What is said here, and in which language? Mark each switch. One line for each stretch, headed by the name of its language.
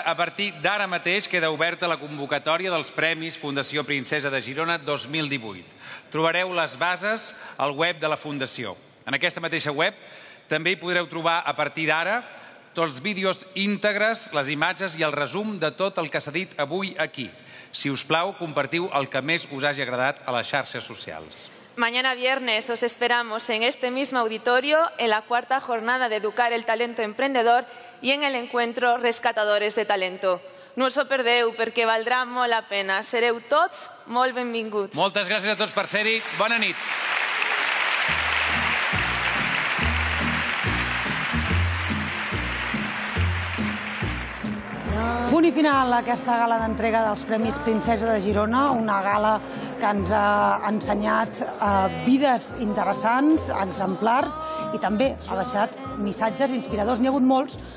Catalan: A partir d'ara mateix queda oberta la convocatòria dels Premis Fundació Princesa de Girona 2018. Trobareu les bases al web de la Fundació. En aquesta mateixa web També hi podreu trobar a partir d'ara tots els vídeos íntegres, les imatges i el resum de tot el que s'ha dit avui aquí. Si us plau, compartiu el que més us hagi agradat a les xarxes socials.
Spanish: Mañana viernes os esperamos en este mismo auditorio en la cuarta jornada de Educar el Talento Emprendedor y en el encuentro Rescatadores de Talento.
Catalan: No us ho perdeu perquè valdrà molt la pena. Sereu tots molt benvinguts. Moltes gràcies a tots per ser-hi. Bona nit. Punt i final a aquesta gala d'entrega dels Premis Princesa de Girona, una gala que ens ha ensenyat vides interessants, exemplars, i també ha deixat missatges inspiradors. N'hi ha hagut molts.